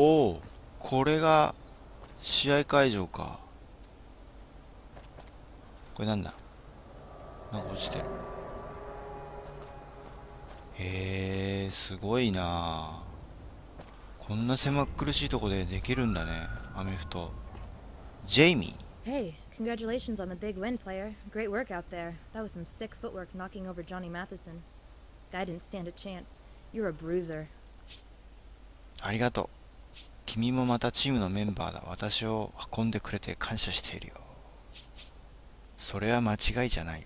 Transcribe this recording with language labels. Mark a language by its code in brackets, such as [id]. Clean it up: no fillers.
[ja] おお、これが、試合会場か。これなんだ？なんか落ちてる。へえ、すごいな。こんな狭苦しいとこでできるんだね、アメフト。ジェイミー。 [en] Hey, congratulations on the big win, player. Great work out there. That was some sick footwork knocking over Johnny Matheson. Guy didn't stand a chance. You're a bruiser. [ja] ありがとう。君もまたチームのメンバーだ。私を運んでくれて感謝しているよ。それは間違いじゃない。